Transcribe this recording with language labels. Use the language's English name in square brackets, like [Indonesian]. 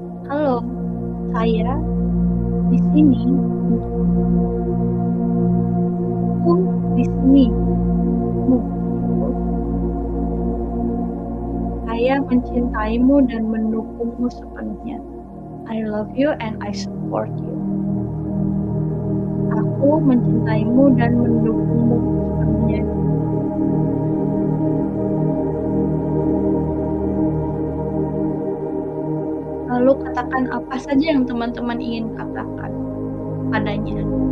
[Indonesian] Halo, saya di sini. Aku di sini. Saya mencintaimu dan mendukungmu sepenuhnya. [English] I love you and I support you. [Indonesian] Aku mencintaimu dan mendukungmu sepenuhnya. Lalu katakan apa saja yang teman-teman ingin katakan padanya.